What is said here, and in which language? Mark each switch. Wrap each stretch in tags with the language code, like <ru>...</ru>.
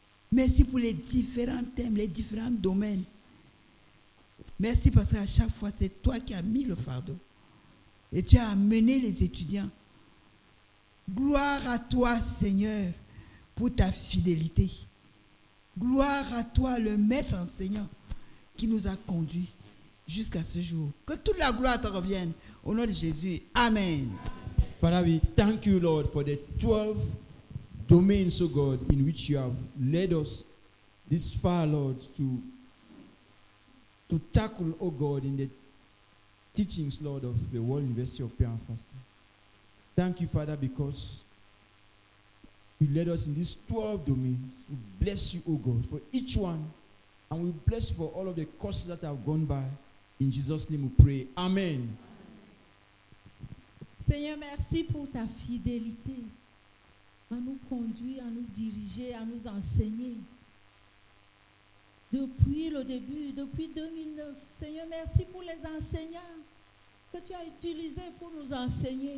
<fr>Merci pour les différents thèmes, les différents domaines. Merci parce qu'à chaque fois, c'est toi qui as mis le fardeau et tu as amené les étudiants. Gloire à toi Seigneur pour ta fidélité. Gloire à toi le maître enseignant qui nous a conduits jusqu'à ce jour. Que toute la gloire te revienne au nom de Jésus. Amen.</fr> <en>Father, we thank you, Lord, for the 12 domains, oh God, in which you have led us this far, Lord, to tackle, oh God, in the teachings, Lord, of the World University of Prayer and Fasting. Thank you, Father, because you led us in these 12 domains. We bless you, oh God, for each one. And we bless you for all of the courses that have gone by. In Jesus' name we pray. Amen.</en> <fr>Seigneur, merci pour ta fidélité à nous conduire, à nous diriger, à nous enseigner. Depuis le début, depuis 2009, Seigneur, merci pour les enseignants que tu as utilisés pour nous enseigner.</fr>